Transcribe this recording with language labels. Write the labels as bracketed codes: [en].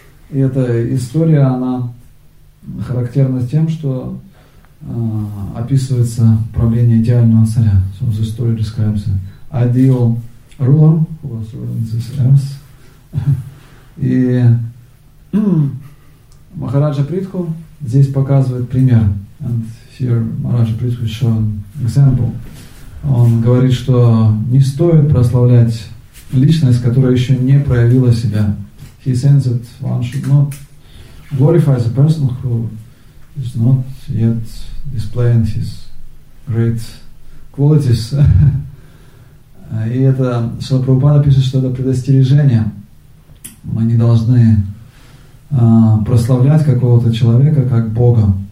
[ru] История, она характерна тем, что описывается правление идеального царя. [en] So the story describes an ideal ruler who was ruling this earth. [ru] И Махараджа Притху здесь показывает пример. [en] And here Махараджа Притху is showing example. [ru] Он говорит, что не стоит прославлять личность, которая еще не проявила себя. [en] He says that one should not glorifies a person who is not yet displaying his great qualities. [ru] И это, Шрила Прабхупада пишет, что это предостережение. Мы не должны прославлять какого-то человека как Бога.